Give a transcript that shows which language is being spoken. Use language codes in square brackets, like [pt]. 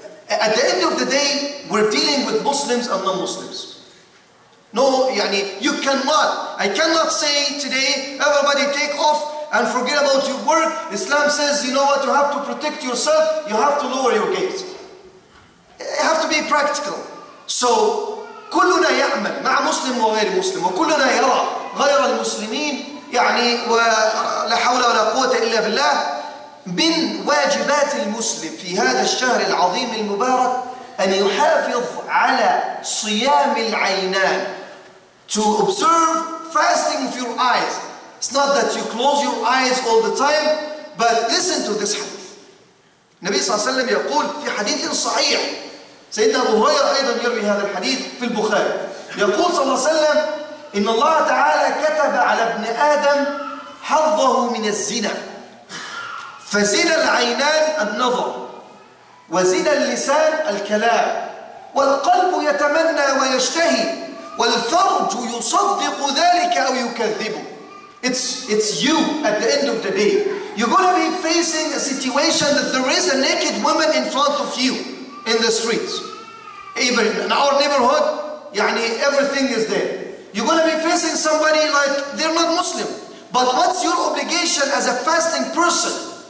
[en] At the end of the day, we're dealing with Muslims and non-Muslims. No, yani, you cannot. I cannot say today, everybody take off and forget about your work. Islam says, you know what, you have to protect yourself. You have to lower your gaze. You have to be practical. [ar] So, كلنا يعمل مع مسلم وغير مسلم وكلنا يرى غير المسلمين يعني ولا حول ولا قوة إلا بالله. من واجبات المسلم في هذا الشهر العظيم المبارك أن يحافظ على صيام العينان. [en] To observe fasting of your eyes. It's not that you close your eyes all the time, but listen to this hadith. [ar] النبي صلى الله عليه وسلم يقول في حديث صحيح, سيدنا أبو هريرة أيضا يروي هذا الحديث في البخاري, يقول صلى الله عليه وسلم إن الله تعالى كتب على ابن آدم حظه من الزنا, فزنا العينان النظر, وزنا اللسان الكلام, والقلب يتمنى ويشتهي, والفرج يصدق ذلك أو يكذبه. [en] It's you at the end of the day. You're gonna be facing a situation that there is a naked woman in front of you in the streets. Even in our neighborhood, يعني everything is there. You're gonna be facing somebody like they're not Muslim. But what's your obligation as a fasting person?